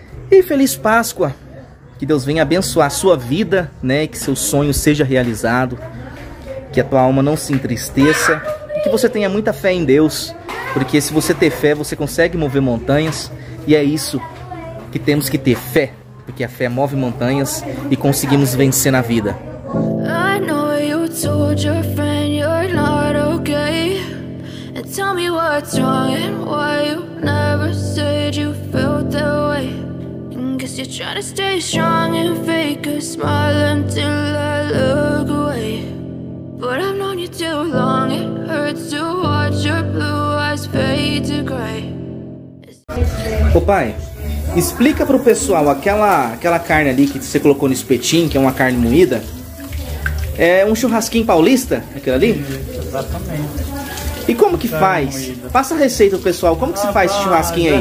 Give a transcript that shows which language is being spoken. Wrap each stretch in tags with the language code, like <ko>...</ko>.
<pt>E feliz Páscoa. Que Deus venha abençoar a sua vida, né? Que seu sonho seja realizado. Que a tua alma não se entristeça. E que você tenha muita fé em Deus. Porque se você ter fé, você consegue mover montanhas. E é isso que temos que ter, fé. Porque a fé move montanhas e conseguimos vencer na vida.</pt> <en>I know you told your friend you're not okay. Tell me what's wrong and why you never said you felt that way. Guess you're trying to stay strong and fake a smile until I look away. But I've known you too long, it hurts to watch your blue eyes fade to gray.</en> <pt>Ô pai, explica pro pessoal aquela carne ali que você colocou no espetinho, que é uma carne moída. É um churrasquinho paulista, aquilo ali? Exatamente. E como que faz? Moída. Passa a receita pro pessoal. Como que se faz esse churrasquinho aí?</pt>